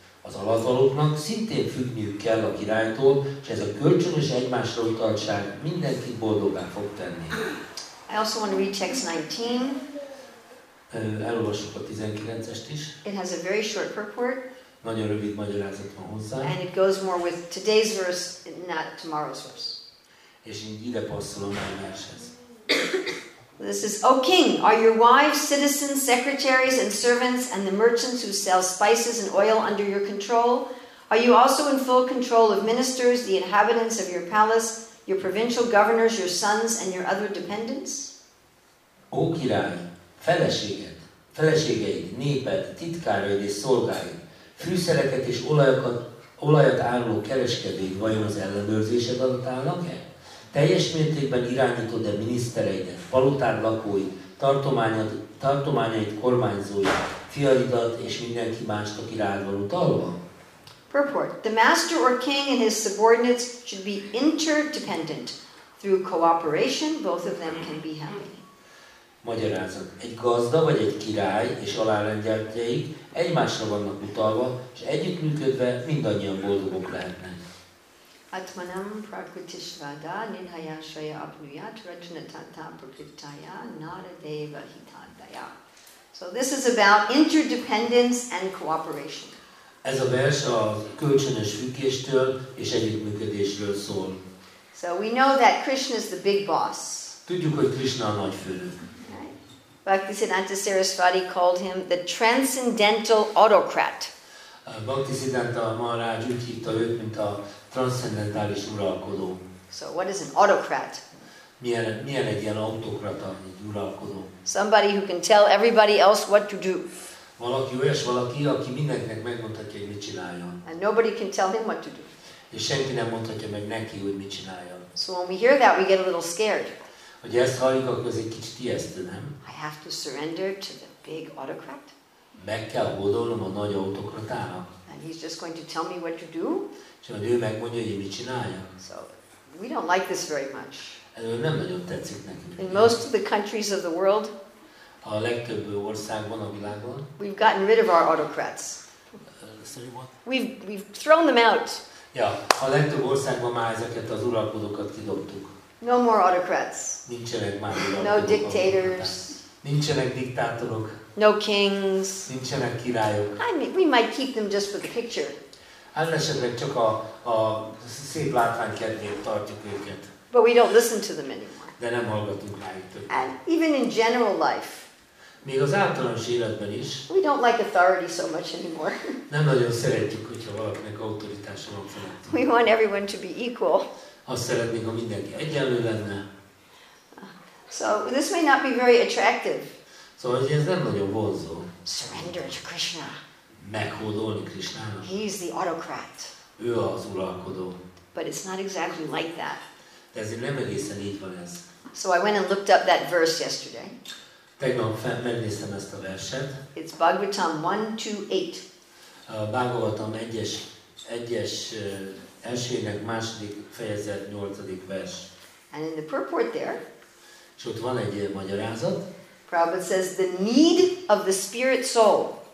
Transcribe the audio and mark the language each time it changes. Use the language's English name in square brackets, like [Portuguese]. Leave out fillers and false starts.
[Hungarian] Az alattvalóknak szintén függniük kell a királytól, és ez a kölcsönös egymásra utaltság mindenkit boldoggá fog tenni. [English] I also want to read text 19. [Hungarian] Elolvassuk a 19-est is. [English] It has a very short purport. [Hungarian] Nagyon rövid magyarázat van hozzá. [English] And it goes more with today's verse, not tomorrow's verse. [Hungarian] És ide passzol a mai vershez. [English] This is, O king, are your wives, citizens, secretaries, and servants, and the merchants who sell spices and oil under your control? Are you also in full control of ministers, the inhabitants of your palace, your provincial governors, your sons, and your other dependents? [Hungarian] O király, feleséged, feleségeid, néped, titkáraid és szolgáid, fűszereket és olajat áruló kereskedőid vajon az ellenőrzésed alatt állnak-e? Teljes mértékben irányítod-e minisztereidet, palotád lakóid, tartományait kormányzóid, fiaidat és mindenki mást, aki rád van utalva? [English] Purport. The master or king and his subordinates should be interdependent. Through cooperation, both of them can be happy. [Hungarian] Magyarázat. Egy gazda vagy egy király és alárendeltjei egymásra vannak utalva, és együttműködve mindannyian boldogok lehetnek. [Sanskrit] Atmanam prakritisvada ninhayashraya apnuyat rajnatata prakritaya naradeva hitadaya. [English] So this is about interdependence and cooperation. [Hungarian] Ez a vers a kölcsönös függéstől és együttműködésről szól. [English] So we know that Krishna is the big boss. [Hungarian] Tudjuk, hogy Krishna a nagyfőnök. [English] Bhaktisiddhanta Sarasvati called him the transcendental autocrat. [Hungarian] Bhaktisiddhanta Maharaj úgy hívta őt, mint a transzcendentális uralkodó. [English] So what is an autocrat? [Hungarian] Milyen egy ilyen autokrata, egy uralkodó? [English] Somebody who can tell everybody else what to do. [Hungarian] Valaki olyas, valaki, aki mindenkinek megmondhatja, hogy mit csináljon. [English] And nobody can tell him what to do. [Hungarian] És senki nem mondhatja meg neki, hogy mit csináljon. [English] So when we hear that, we get a little scared. [Hungarian] Hogy ezt halljuk, akkor ez egy kicsit ijesztő, nem? [English] I have to surrender to the big autocrat. [Hungarian] Meg kell hódolnom a nagy autokratának. [English] And he's just going to tell me what to do. [Hungarian] És ő megmondja, hogy mit csináljon. [English] So we don't like this very much. [Hungarian] Ez nem nagyon tetszik nekünk. [English] In most of the countries of the world, [Hungarian] a legtöbb országban a világban, [English] we've gotten rid of our autocrats. We've thrown them out. [Hungarian] Ja, a legtöbb országban már ezeket az uralkodókat kidobtuk. [English] No more autocrats. [Hungarian] Nincsenek már [English] uralkodók. No dictators. [Hungarian] Nincsenek diktátorok. [English] No kings. [Hungarian] Nincsenek királyok. [English] I mean, we might keep them just for the picture. [Hungarian] Hát esetleg csak a szép látvány kedvéért tartjuk őket. [English] But we don't listen to them anymore. [Hungarian] De nem hallgatunk rájuk többet. [English] And even in general life. [Hungarian] Még az általános életben is. [English] We don't like authority so much anymore. [Hungarian] Nem nagyon szeretjük, hogyha valakinek autoritása van felettünk. [English] We want everyone to be equal. [Hungarian] Azt szeretnék, ha mindenki egyenlő lenne. [English] So this may not be very attractive. [Hungarian] Szóval ez nem nagyon vonzó. [English] Surrender to Krishna. [Hungarian] Meghódolni Krishnának. [English] He's the autocrat. [Hungarian] Ő az uralkodó. [English] But it's not exactly like that. [Hungarian] De ez nem egészen így van ez. [English] So I went and looked up that verse yesterday. [Hungarian] Tegnap megnéztem ezt a verset. [English] It's Bhagavatam 1.2.8. [Hungarian] Bhagavatam 1-es elsőjének második fejezet 8. vers. [English] And in the purport there. [Hungarian] És ott van egy magyarázat. [English] Prabhupada says the need of the spirit soul.